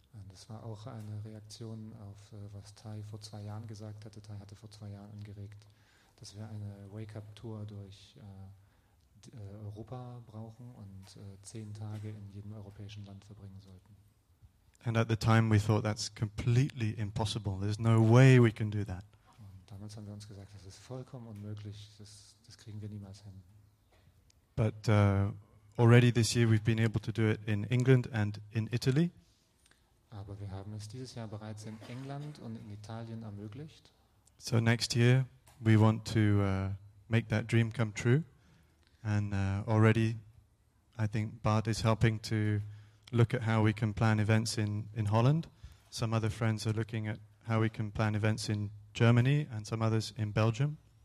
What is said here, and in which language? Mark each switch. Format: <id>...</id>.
<de>Das war auch eine Reaktion auf was Tai vor 2 Jahren gesagt hatte. Tai hatte vor 2 Jahren angeregt, dass wir eine Wake-up-Tour durch Europa brauchen und 10 Tage in jedem europäischen Land verbringen sollten.</de> <en>And at the time we thought that's completely impossible. There's no way we can do that.</en> <de>Und damals haben wir uns gesagt, das ist vollkommen unmöglich. Das kriegen wir niemals hin.</de> <en>But already this year we've been able to do it in England and in Italy.</en> <de>Aber wir haben es dieses Jahr bereits in England und in Italien ermöglicht.</de> <en>So next year we want to make that dream come true. And already I think Bart is helping to look at how we can plan events in Holland. Some other friends are looking at how we can plan events in Germany and some others in Belgium.</en>